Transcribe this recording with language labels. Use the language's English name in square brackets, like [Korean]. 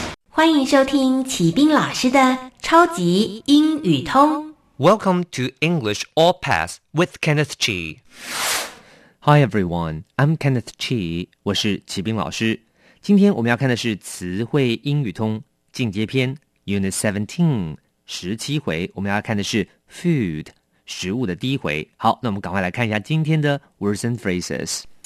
[Chinese] 欢迎收听启斌老师的超级英语通。 [English] Welcome to English All Pass with Kenneth Chi. Hi everyone, I'm Kenneth Chi. [Chinese] 我是启斌老师。今天我们要看的是词汇英语通进阶篇 Unit 17, 17回。我们要看的是 food, 食物的第一回。好，那我们赶快来看一下今天的 words and phrases.